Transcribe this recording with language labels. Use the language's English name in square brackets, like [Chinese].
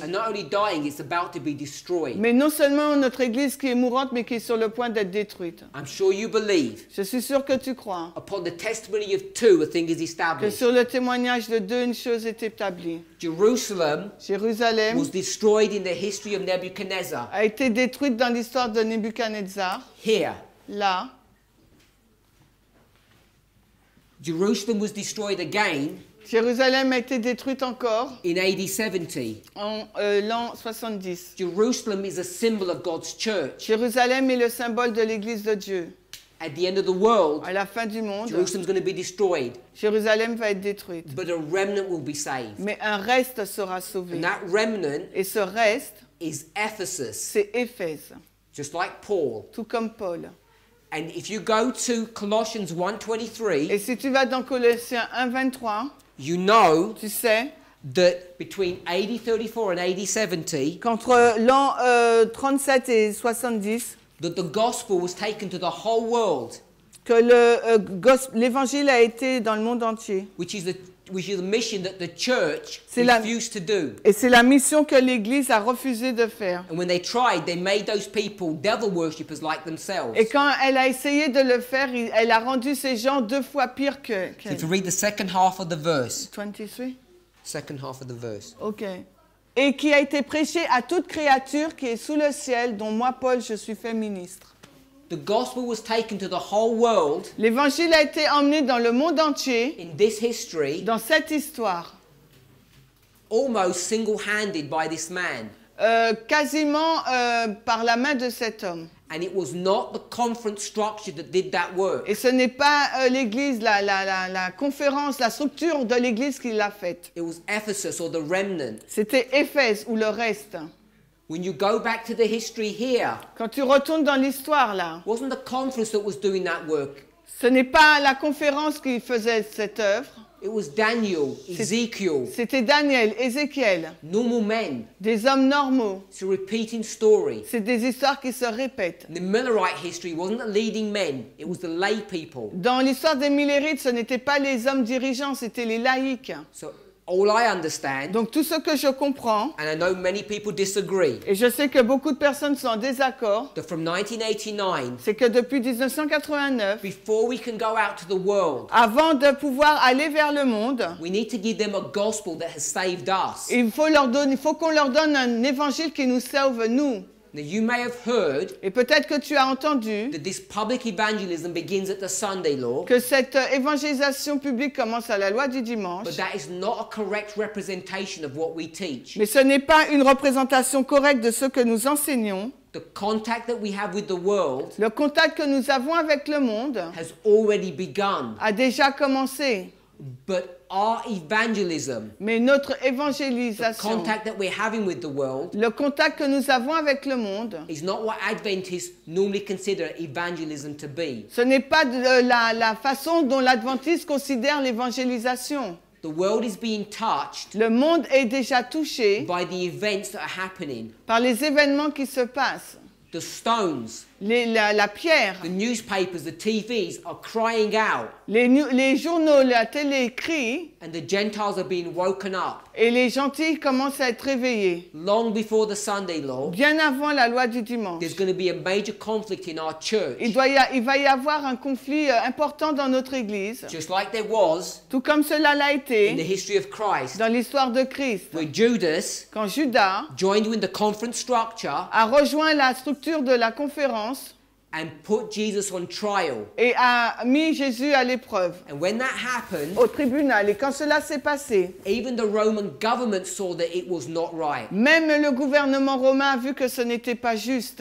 [English] And not only dying, it's about to be destroyed. [French] Mais non seulement notre église qui est mourante, mais qui est sur le point d'être détruite. [English] I'm sure you believe. [French] Je suis sûr que tu crois. [English] Upon the testimony of two, a thing is established. [French] Que sur le témoignage de deux, une chose est établie. [English] Jérusalem was destroyed in the history of Nebuchadnezzar. [French] A été détruite dans l'histoire de Nebuchadnezzar. [English] Here. [French] Là. [English] Jerusalem was destroyed again. [French] Jérusalem a été détruite encore. [English] In AD 70. [French] En l'an 70. [English] Jerusalem is a symbol of God's church. [French] Jérusalem est le symbole de l'église de Dieu. [English] At the end of the world, [French] à la fin du monde, [English] Jerusalem's going to be destroyed. [French] Jérusalem va être détruite. [English] But a remnant will be saved. [French] Mais un reste sera sauvé. [English] And that remnant, [French] et ce reste, [English] is Ephesus. [French] C'est Éphèse. [English] Just like Paul. [French] Tout comme Paul. [English] And if you go to Colossians 1:23, [French] et si tu vas dans Colossiens 1:23, [English] you know, [French] tu sais, [English] that between AD 34 and AD 70, [French] qu'entre l'an 37 et 70, [English] that the gospel was taken to the whole world. [French] Que le l'évangile a été dans le monde entier. [English] Which is the mission that the church refused to do. [French] Et c'est la mission que l'église a refusé de faire. [English] And when they tried, they made those people devil worshippers like themselves. [French] Et quand elle a essayé de le faire, elle a rendu ces gens deux fois pire que. [English] So if you read the second half of the verse. 23. Second half of the verse. Okay. [French] Et qui a été prêché à toute créature qui est sous le ciel, dont moi, Paul, je suis fait ministre. [English] The gospel was taken to the whole world. [French] L'évangile a été emmené dans le monde entier. [English] In this history. [French] Dans cette histoire. [English] Almost single-handed by this man. [French] Quasiment par la main de cet homme. [English] And it was not the conference structure that did that work. [French] Et ce n'est pas l'église, la conférence, la structure de l'église qui l'a faite. [English] It was Ephesus or the remnant. [French] C'était Éphèse ou le reste. [English] When you go back to the history here. [French] Quand tu retournes dans l'histoire là. [English] Wasn't the conference that was doing that work. [French] Ce n'est pas la conférence qui faisait cette œuvre. [English] It was Daniel, Ezekiel. [French] C'était Daniel, Ezekiel. [English] Normal men. [French] Des hommes normaux. [English] It's a repeating story. [French] C'est des histoires qui se répètent. [English] The Millerite history wasn't the leading men, it was the lay people. [French] Dans l'histoire des Millerites, ce n'étaient pas les hommes dirigeants, c'était les laïcs. [English] So, all I understand. [French] Donc tout ce que je comprends. [English] And I know many people disagree. [French] Et je sais que beaucoup de personnes sont en désaccord. [English] That from 1989. [French] C'est que depuis 1989. [English] Before we can go out to the world. [French] Avant de pouvoir aller vers le monde. [English] We need to give them a gospel that has saved us. [French] Il faut leur donner, il faut qu'on leur donne un évangile qui nous sauve nous. [English] Now you may have heard. [French] Et peut-être que tu as entendu. [English] That this public evangelism begins at the Sunday law. [French] Que cette évangélisation publique commence à la loi du dimanche. [English] But that is not a correct representation of what we teach. [French] Mais ce n'est pas une représentation correcte de ce que nous enseignons. [English] The contact that we have with the world. [French] Le contact que nous avons avec le monde. [English] Has already begun. [French] A déjà commencé. [English] But our evangelism, [French] mais notre évangélisation, [English] the contact that we're having with the world, [French] le contact que nous avons avec le monde, [English] is not what Adventists normally consider evangelism to be. [French] Ce n'est pas la façon dont l'adventiste considère l'évangélisation. [English] The world is being touched. [French] Le monde est déjà touché [English] by the events that are happening. [French] Par les événements qui se passent. [English] The stones, [French] la pierre, [English] the newspapers, the TVs are crying out. [French] Les journaux, la télé crient. [English] And the Gentiles are being woken up. [French] Et les gentils commencent à être réveillés. [English] Long before the Sunday law. [French] Bien avant la loi du dimanche. [English] There's going to be a major conflict in our church. [French] Il va y avoir un conflit important dans notre église. [English] Just like there was. [French] Tout comme cela l'a été. [English] In the history of Christ. [French] Dans l'histoire de Christ. [English] Where Judas. [French] Quand Judas. [English] Joined with the conference structure. [French] A rejoint la structure de la conférence. [English] And put Jesus on trial. [French] Et a mis Jésus à l'épreuve. [English] And when that happened, [French] au tribunal, et quand cela s'est passé, [English] even the Roman government saw that it was not right. [French] Même le gouvernement romain a vu que ce n'était pas juste.